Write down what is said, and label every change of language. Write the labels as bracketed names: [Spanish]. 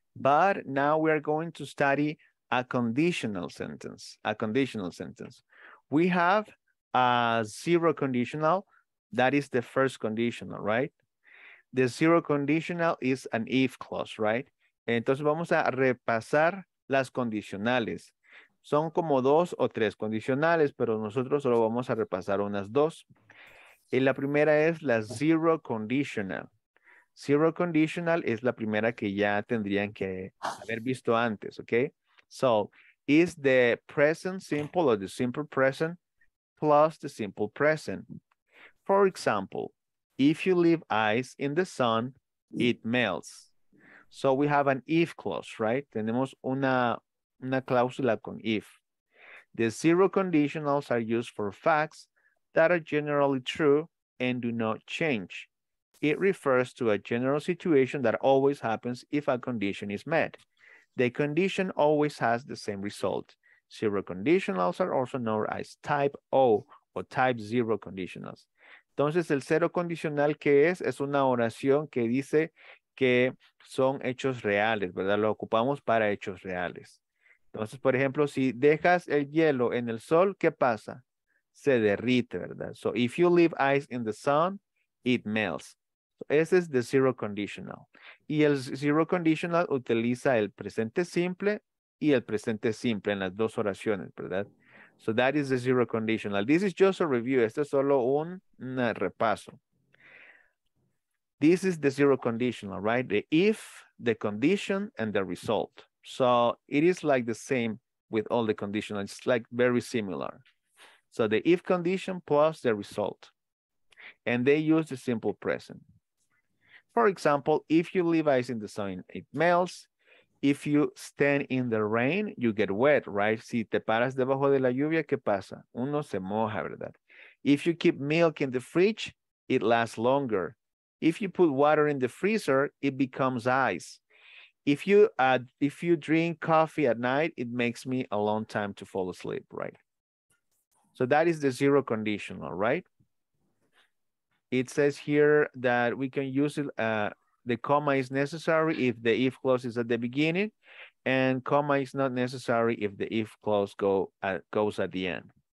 [English] But now we are going to study a conditional sentence. A conditional sentence. We have a zero conditional. That is the first conditional, right? The zero conditional is an if clause, right? [Spanish] Entonces vamos a repasar las condicionales. Son como dos o tres condicionales, pero nosotros solo vamos a repasar unas dos. Y la primera es la zero conditional. Zero conditional es la primera que ya tendrían que haber visto antes, ¿ok? [English] So, is the present simple or the simple present plus the simple present. For example, if you leave ice in the sun, it melts. So we have an if clause, right? [Spanish] Tenemos una cláusula con if. [English] The zero conditionals are used for facts that are generally true and do not change. It refers to a general situation that always happens if a condition is met. The condition always has the same result. Zero conditionals are also known as type O or type zero conditionals. [Spanish] Entonces, el cero condicional, ¿qué es? Es una oración que dice que son hechos reales, ¿verdad? Lo ocupamos para hechos reales. Entonces, por ejemplo, si dejas el hielo en el sol, ¿qué pasa? Se derrite, ¿verdad? [English] So, if you leave ice in the sun, it melts. So, [Spanish] ese es [English] the zero conditional. [Spanish] Y el zero conditional utiliza el presente simple y el presente simple en las dos oraciones, ¿verdad? [English] So, that is the zero conditional. This is just a review. [Spanish] Este es solo un repaso. [English] This is the zero conditional, right? The if, the condition, and the result. So, it is like the same with all the conditionals. It's like very similar. So, the if condition plus the result. And they use the simple present. For example, if you leave ice in the sun, it melts. If you stand in the rain, you get wet, right? [Spanish] Si te paras debajo de la lluvia, ¿qué pasa? Uno se moja, ¿verdad? [English] If you keep milk in the fridge, it lasts longer. If you put water in the freezer, it becomes ice. If you drink coffee at night, it makes me a long time to fall asleep, right? So that is the zero conditional, right? It says here that we can use it, the comma is necessary if the if clause is at the beginning, and comma is not necessary if the if clause goes at the end.